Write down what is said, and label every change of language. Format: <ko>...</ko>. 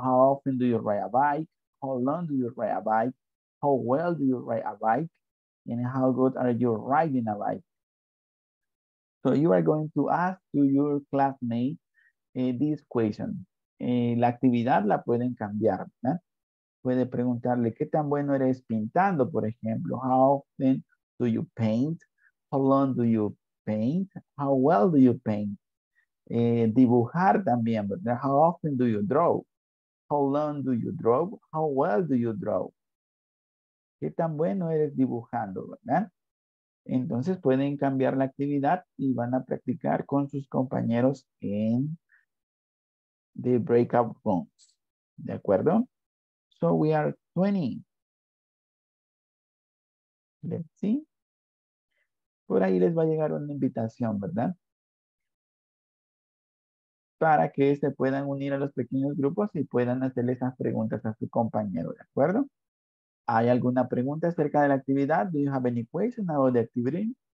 <en>How often do you ride a bike? How long do you ride a bike? How well do you ride a bike? And how good are you riding a bike? So you are going to ask to your classmate this question.</en> <es>La actividad la pueden cambiar, ¿verdad? Puede preguntarle, ¿qué tan bueno eres pintando, por ejemplo?</es> <en>How often do you paint? How long do you paint? How well do you paint?</en> <es>Dibujar también, ¿verdad?</es> <en>How often do you draw? How long do you draw? How well do you draw?</en> <es>¿Qué tan bueno eres dibujando, verdad? Entonces pueden cambiar la actividad y van a practicar con sus compañeros en</es> <en>the breakout rooms.</en> <es>¿De acuerdo?</es> <en>So we are 20. Let's see.</en> <es>Por ahí les va a llegar una invitación, ¿verdad? Para que se puedan unir a los pequeños grupos y puedan hacerle esas preguntas a su compañero, ¿de acuerdo? ¿Hay alguna pregunta acerca de la actividad?</es> <en>Do you have any question about the activity?</en>